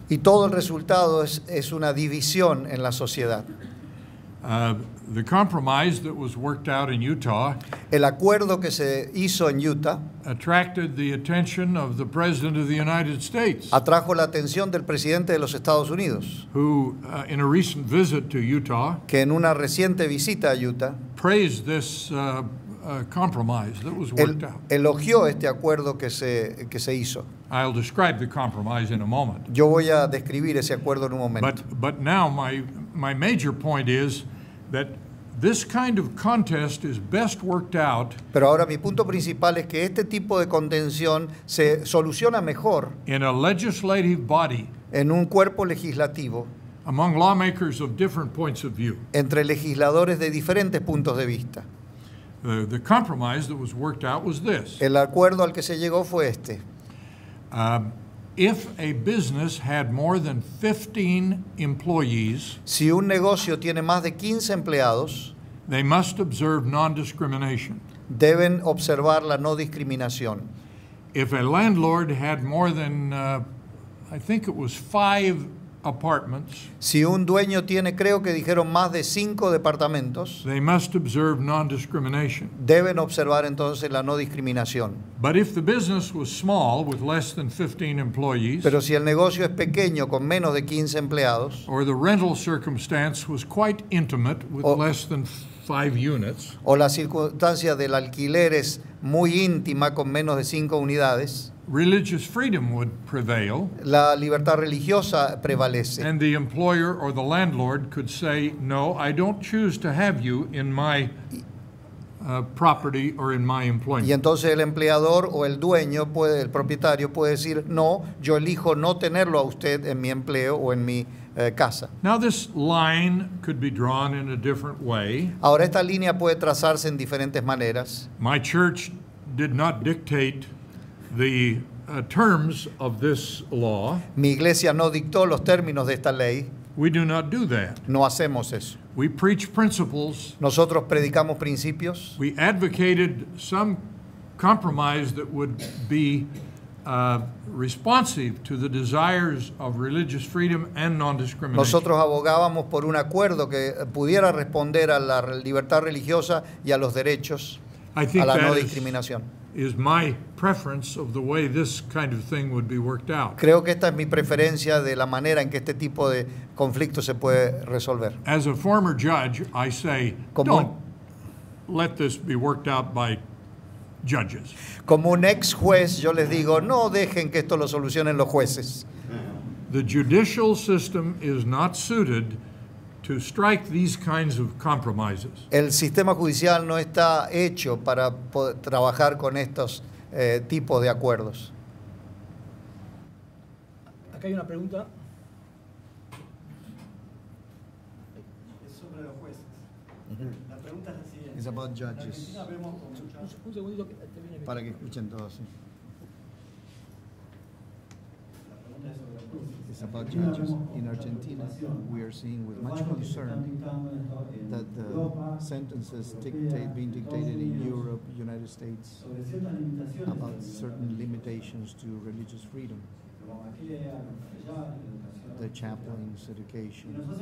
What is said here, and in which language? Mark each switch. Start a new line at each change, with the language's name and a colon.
Spanish: Y todo el resultado es una división en la sociedad.
English: The compromise that was worked out in Utah,
Spanish: el acuerdo que se hizo en Utah,
English: attracted the attention of the President of the United States,
Spanish: atrajo la atención del presidente de los Estados Unidos,
English: who in a recent visit to Utah,
Spanish: que en una reciente visita a Utah,
English: praised this compromise that was worked out.
Spanish: Elogió este acuerdo que se hizo.
English: I'll describe the compromise in a moment.
Spanish: Yo voy a describir ese acuerdo en un momento.
English: But now my major point is that this kind of contest is best worked out.
Spanish: Pero ahora mi punto principal es que este tipo de contención se soluciona mejor
English: in a legislative body,
Spanish: en un cuerpo legislativo,
English: among lawmakers of different points of view,
Spanish: entre legisladores de diferentes puntos de vista.
English: The compromise that was worked out was this.
Spanish: El acuerdo al que se llegó fue este.
English: If a business had more than 15 employees,
Spanish: si un negocio tiene más de 15 empleados,
English: they must observe non-discrimination.
Spanish: Deben observar la no discriminación.
English: If a landlord had more than, I think it was five apartments,
Spanish: si un dueño tiene, creo que dijeron, más de 5 departamentos,
English: they must observe non-discrimination.
Spanish: Deben observar entonces la no discriminación.
English: But if the business was small, with less than 15 employees,
Spanish: pero si el negocio es pequeño, con menos de 15 empleados,
English: or the rental circumstance was quite intimate, with less than 5 units,
Spanish: o la circunstancia del alquiler es muy íntima, con menos de 5 unidades,
English: religious freedom would prevail.
Spanish: La libertad religiosa prevalece.
English: And the employer or the landlord could say, no, I don't choose to have you in my property or in my employment.
Spanish: Y entonces el empleador o el dueño puede, el propietario puede decir, no, yo elijo no tenerlo a usted en mi empleo o en mi casa.
English: Now this line could be drawn in a different way.
Spanish: Ahora esta línea puede trazarse en diferentes maneras.
English: My church did not dictate the terms of this law.
Spanish: Mi iglesia no dictó los términos de esta ley.
English: We do not do that.
Spanish: No hacemos eso.
English: We preach principles.
Spanish: Nosotros predicamos principios.
English: We advocated some compromise that would be responsive to the desires of religious freedom and non-discrimination.
Spanish: Nosotros abogábamos por un acuerdo que pudiera responder a la libertad religiosa y a los derechos, a la no discriminación.
English: Is my preference of the way this kind of thing would be worked out.
Spanish: Creo que esta es mi preferencia de la manera en que este tipo de conflicto se puede resolver.
English: As a former judge, I say, don't let this be worked out by judges.
Spanish: Como un ex juez, yo les digo, no dejen que esto lo solucionen los jueces.
English: The judicial system is not suited to strike these kinds of compromises.
Spanish: El sistema judicial no está hecho para trabajar con estos tipos de acuerdos. Acá hay una pregunta. Es sobre los jueces. La pregunta es la siguiente.
English: It's about judges.
Spanish: Un segundito que te viene bien. Para que escuchen todos. La pregunta es sobre los jueces.
English: It's about judges. In Argentina, we are seeing with much concern that the sentences dictate, being dictated in Europe, United States, about certain limitations to religious freedom, the chaplain's education.